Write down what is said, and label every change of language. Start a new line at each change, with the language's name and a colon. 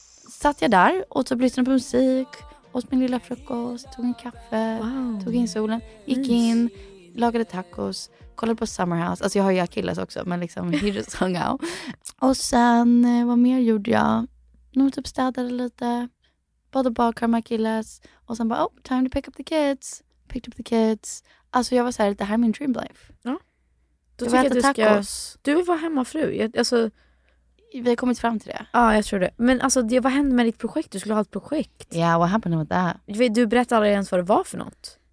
Swedish: satt jag där och så lyssnade på musik, åt min lilla frukost, tog en kaffe, tog in solen, gick in, lagade tacos, kollade på Summerhouse. Alltså jag har ju Achilles också, men liksom
English: he just hung out.
Swedish: Och sen, vad mer gjorde jag? Nog typ städade lite, bad och badkar med Achilles. Och sen bara,
English: oh, time to pick up the kids. Picked up the kids.
Swedish: Alltså jag var så här, det här är min
English: dream life.
Swedish: Ja. Då jag tycker jag att du tacos. Ska... Du var hemmafru, alltså... vi har kommit fram till det. Ja, jag tror det. Men alltså, det, vad hände med ditt projekt? Du skulle ha ett projekt.
English: Ja, yeah, what happened with that?
Swedish: Du berättade aldrig ens vad det var för något.